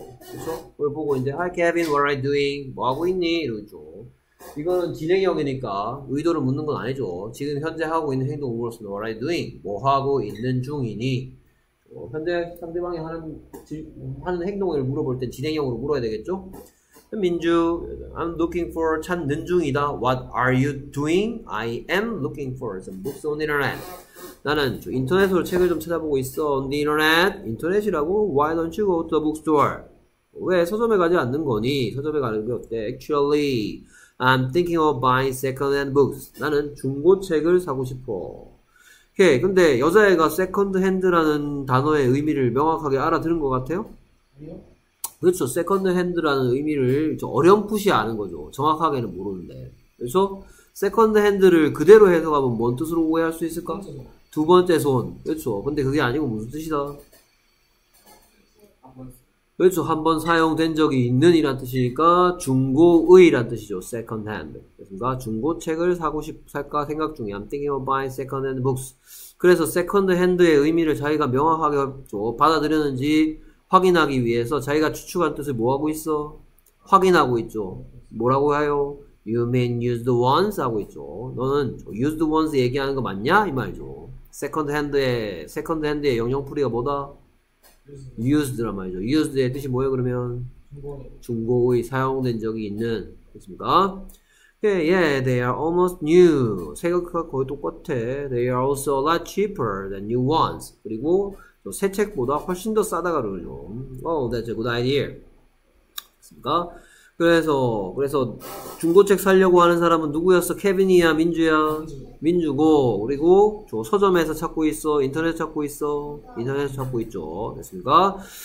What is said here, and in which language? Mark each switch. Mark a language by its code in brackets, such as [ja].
[ko] 그렇죠? 뭘 보고 있는데, [en] Hi Kevin, what are you doing? [ko] 뭐 하고 있니? 이러죠. 이거는 진행형이니까 의도를 묻는 건 아니죠. 지금 현재 하고 있는 행동으로서는 [en] What are you doing? [ko] 뭐 하고 있는 중이니? 현재 상대방이 하는 행동을 물어볼 땐 진행형으로 물어야 되겠죠? [en] 민주, I'm looking for, [ko] 찾는 중이다. [en] What are you doing? I am looking for some books on the internet. [ko] 나는 저 인터넷으로 책을 좀 찾아보고 있어. [en] On the internet? [ko] 인터넷이라고? [en] Why don't you go to the bookstore? [ko] 왜 서점에 가지 않는 거니? 서점에 가는 게 어때? [en] Actually, I'm thinking of buying second-hand books. [ko] 나는 중고책을 사고 싶어. 오케이. 근데 여자애가 second-hand라는 단어의 의미를 명확하게 알아들은 것 같아요? 아니요. 그렇죠. 세컨드핸드라는 의미를 저 어렴풋이 아는 거죠. 정확하게는 모르는데. 그래서 세컨드핸드를 그대로 해석하면 뭔 뜻으로 오해할 수 있을까? 한 번. 두 번째 손. 그렇죠. 근데 그게 아니고 무슨 뜻이다? 그렇죠. 한번 사용된 적이 있는 이란 뜻이니까 중고의란 뜻이죠. 세컨드핸드. 그러니까 중고책을 살까 생각 중이야. [en] I'm thinking of buying second-hand books. [ko] 그래서 세컨드핸드의 의미를 자기가 명확하게 받아들였는지 확인하기 위해서 자기가 추측한 뜻을 뭐 하고 있어? 확인하고 있죠. 뭐라고 해요? [en] You mean used once [ko] 하고 있죠. 너는 used once 얘기하는 거 맞냐? 이 말이죠. second hand의 영영풀이가 뭐다? used란 말이죠. used의 뜻이 뭐예요, 그러면? 중고의 사용된 적이 있는. 그렇습니까? [en] Yeah, they are almost new. [ko] 새 것과 거의 똑같아. [en] They are also a lot cheaper than new ones. [ko] 그리고, 새 책보다 훨씬 더 싸다가 그러죠. [en] Oh, that's a good idea. [ko] 그니까 그래서 중고책 사려고 하는 사람은 누구였어? 케빈이야, 민주야, 민주고. 그리고 저 서점에서 찾고 있어, 인터넷 찾고 있어, 인터넷 찾고 있죠. 됐습니까?